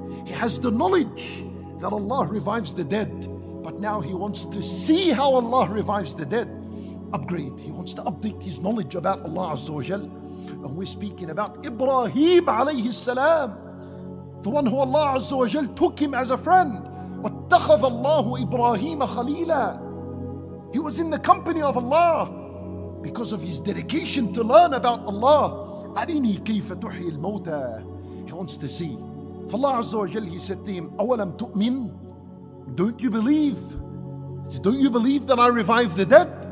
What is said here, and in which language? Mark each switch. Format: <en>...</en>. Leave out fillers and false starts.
<en>He has the knowledge that Allah revives the dead, but now he wants to see how Allah revives the dead. Upgrade. He wants to update his knowledge about Allah Azza wa Jal. And we're speaking about Ibrahim alayhi salam, the one who Allah Azza wa Jal took him as a friend.</en> <ar>واتخذ الله إبراهيم خليلا.</ar> <en>He was in the company of Allah because of his dedication to learn about Allah.</en> <ar>أرني كيف تحيي الموتى.</ar> <en>He wants to see. For Allah Azza wa Jal, he said to him,</en> <ar>أولم تؤمن.</ar> <en>Don't you believe? Don't you believe that I revive the dead?</en>